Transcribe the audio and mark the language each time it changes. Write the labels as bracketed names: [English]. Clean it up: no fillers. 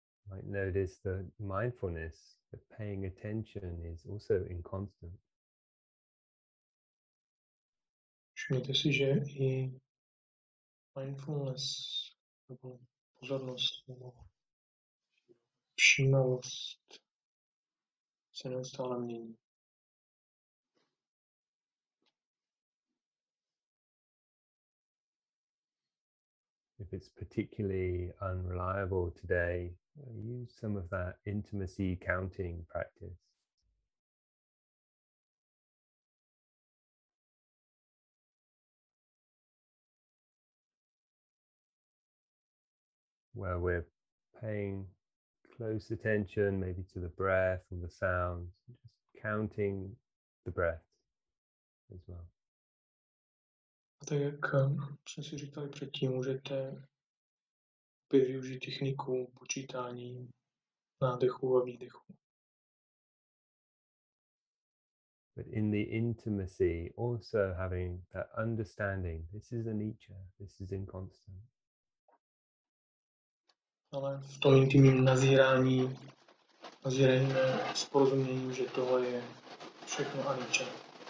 [English] Might notice the mindfulness, that paying attention is also inconstant. [Czech] Všimněte si, že i mindfulness, nebo pozornost, nebo všímavost se neustále mění. [English] If it's particularly unreliable today, use some of that intimacy counting practice. Where we're paying close attention, maybe to the breath and the sounds, just counting the breath as well. [Czech] Tak jak jsme si říkali předtím, můžete využít techniku počítání nádechu a výdechu. [English] But in the intimacy, also having that understanding, this is anicca, this is inconstant. [Czech] Ale v tom intimním nazírání s porozuměním, že tohle je všechno anicca.